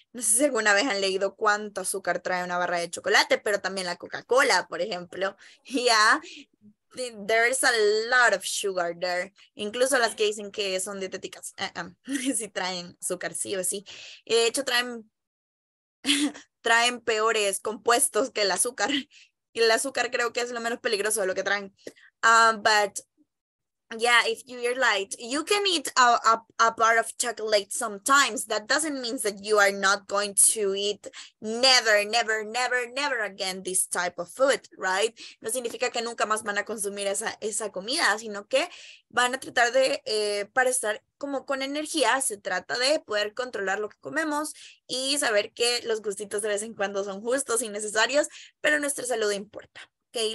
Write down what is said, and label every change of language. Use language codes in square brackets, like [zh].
[es] No sé si alguna vez han leído cuánto azúcar trae una barra de chocolate, pero también la Coca-Cola, por ejemplo. [en] Yeah, there is a lot of sugar there. [es] Incluso las que dicen que son dietéticas. Si traen azúcar, sí o sí. Y de hecho, traen peores compuestos que el azúcar. El azúcar creo que es lo menos peligroso de lo que traen. [en] But yeah, if you're light, you can eat a bar of chocolate sometimes. That doesn't mean that you are not going to eat never, never, never, never again this type of food, right? [es] No significa que nunca más van a consumir esa comida, sino que van a tratar de, para estar como con energía, se trata de poder controlar lo que comemos y saber que los gustitos de vez en cuando son justos y necesarios, pero nuestra salud importa, okay?